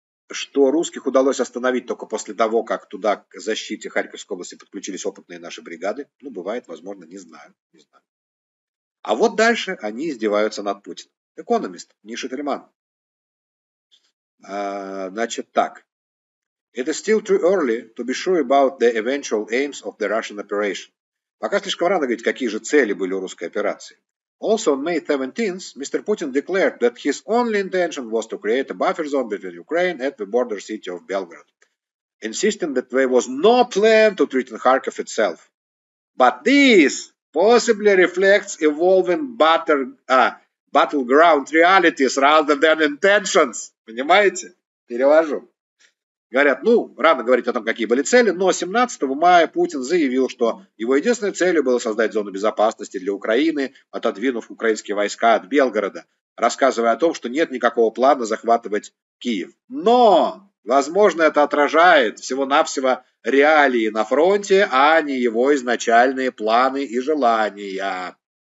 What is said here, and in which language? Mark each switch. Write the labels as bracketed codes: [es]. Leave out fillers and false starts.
[ru] Что русских удалось остановить только после того, как туда, к защите Харьковской области, подключились опытные наши бригады. Ну, бывает, возможно, не знаю. А вот дальше они издеваются над Путиным. «Экономист», не Шетельман. Значит так. [en] It is still too early to be sure about the eventual aims of the Russian operation. [ru] Пока слишком рано говорить, какие же цели были у русской операции. [en] Also on May 17th, Mr. Putin declared that his only intention was to create a buffer zone between Ukraine and the border city of Belgrade, insisting that there was no plan to threaten Kharkiv itself. But this possibly reflects evolving battleground realities rather than intentions. [ru] Понимаете? Перевожу. Говорят, ну, рано говорить о том, какие были цели, но 17 мая Путин заявил, что его единственной целью было создать зону безопасности для Украины, отодвинув украинские войска от Белгорода, рассказывая о том, что нет никакого плана захватывать Киев. Но, возможно, это отражает всего-навсего реалии на фронте, а не его изначальные планы и желания.